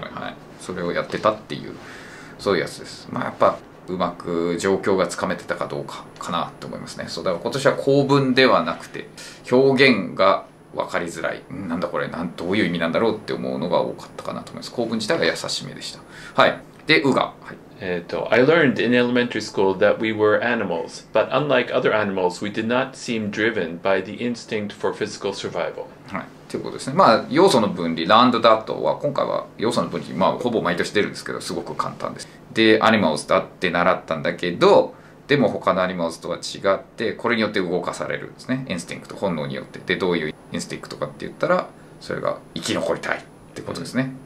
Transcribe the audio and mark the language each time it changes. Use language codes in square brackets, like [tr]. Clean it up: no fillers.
[ja] はい、それをやってたっていうそういうやつです。まあやっぱうまく状況がつかめてたかどうかかなと思いますね。そうだから今年は構文ではなくて表現が分かりづらい、なんだこれ、なんどういう意味なんだろうって思うのが多かったかなと思います。構文自体が優しめでした。はい。でうが、はい、 [en] I learned in elementary school that we were animals, but unlike other animals, we did not seem driven by the instinct for physical survival. [ja] はい、ということですね。まあ要素の分離、land that は今回は要素の分離、まあほぼ毎年出るんですけど、すごく簡単です。で、animals だって習ったんだけど、でも他の animals とは違って、これによって動かされるんですね。 instinct、本能によって。で、どういう instinct かって言ったら、それが生き残りたいってことですね。